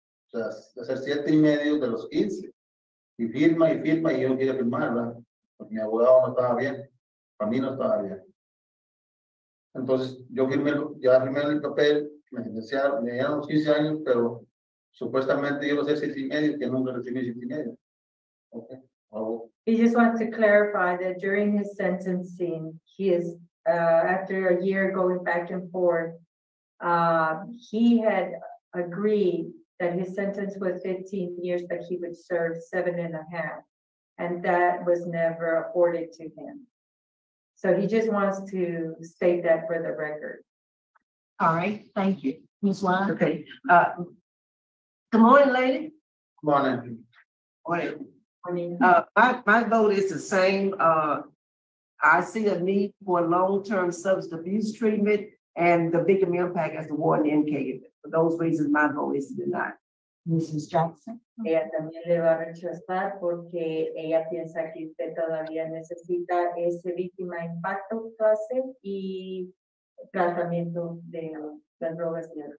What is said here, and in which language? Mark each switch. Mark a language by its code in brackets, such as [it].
[es] O sea, hacer 7.5 de los 15. Y firma, y yo no quería firmar, ¿verdad? Porque mi abogado no estaba bien. Para mí no estaba bien. Entonces, yo firmé, ya firmé el papel, me sentenciaron, me dieron los 15 años, pero supuestamente yo lo sé 6.5, que nunca recibí 6.5. Okay. [en] He just wants to clarify that during his sentencing, he is, after a year going back and forth, he had agreed that his sentence was 15 years, but he would serve 7.5, and that was never afforded to him. So he just wants to state that for the record. All right, thank you. Ms. Wan. Okay. Good morning, lady. Good morning. Morning. My vote is the same. I see a need for long-term substance abuse treatment and the victim impact as the warden indicated. For those reasons, my vote is denied. Mrs. Jackson. [es] Ella también le va a rechazar porque ella piensa que usted todavía necesita ese víctima impacto clase y tratamiento de las drogas.